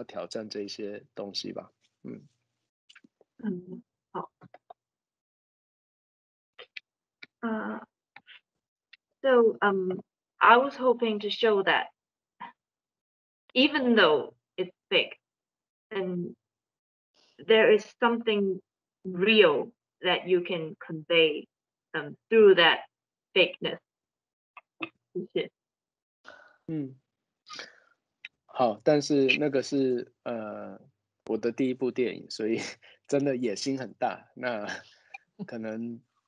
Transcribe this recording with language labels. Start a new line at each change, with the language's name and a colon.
Chinese: 但是那个时候可能希望就是在即便你知道它是假的状况之中，你还可以传达什么，那个还能够传达的东西可能就是真的。那个时候可能是想要挑战这些东西吧。嗯。
English: So I was hoping to show that even though it's fake, and there is something real that you can convey through that fakeness.
Chinese: 嗯，好，但是那个是我的第一部电影，所以真的野心很大。那可能。